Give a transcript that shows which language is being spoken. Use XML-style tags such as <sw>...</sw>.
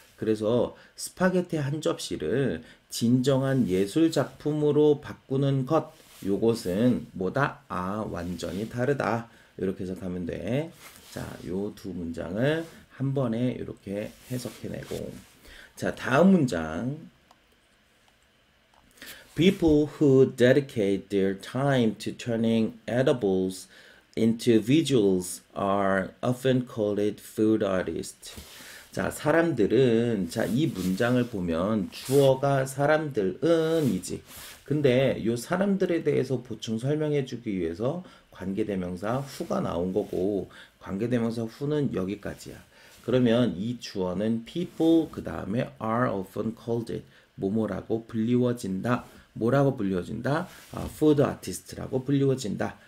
<ko>그래서 스파게티 한 접시를 진정한 예술 작품으로 바꾸는 것, 요것은 뭐다? 아, 완전히 다르다. 이렇게 해석하면 돼. 자, 요두 문장을 한 번에 이렇게 해석해내고, 자, 다음 문장.</ko> <en>People who dedicate their time to turning edibles into visuals are often called food artists.</en> <ko>자, 사람들은, 자, 이 문장을 보면 주어가 사람들은이지. 근데 요 사람들에 대해서 보충 설명해주기 위해서 관계대명사 who가 나온 거고, 관계대명사 who는 여기까지야. 그러면 이 주어는 people, 그 다음에</ko> <en>are often called it,</en> <ko>뭐뭐라고 불리워진다. 뭐라고 불리워진다? 아, food artist라고 불리워진다.</ko>